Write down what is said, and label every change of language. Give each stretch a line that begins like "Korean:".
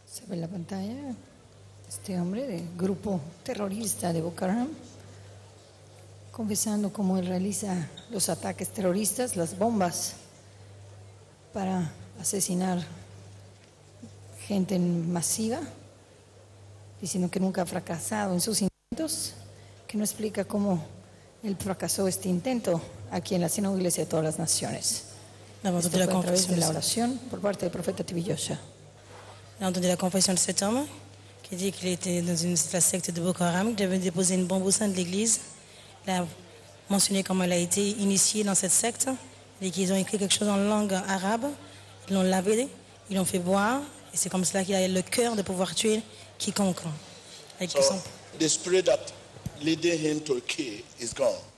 Spanish: En la pantalla, este hombre del grupo terrorista de Boko Haram, confesando cómo él realiza los ataques terroristas, las bombas, para asesinar gente masiva, diciendo que nunca ha fracasado en sus intentos, que no explica cómo él fracasó este intento aquí en la Sino Iglesia de todas las naciones. Esto fue a través de la oración por parte del profeta Tibiyosha.
French: On a entendu la confession de cet homme qui dit qu'il était dans une la secte de Boko Haram, qui avait déposé une bombe au sein de l'église. Il a mentionné comment elle a été initiée dans cette secte et qu'ils ont écrit quelque chose en langue arabe. Ils l'ont lavé, ils l'ont fait boire et c'est comme cela qu'il a eu le cœur de pouvoir tuer quiconque.
English: Avec so, the spirit that led him to kill is gone.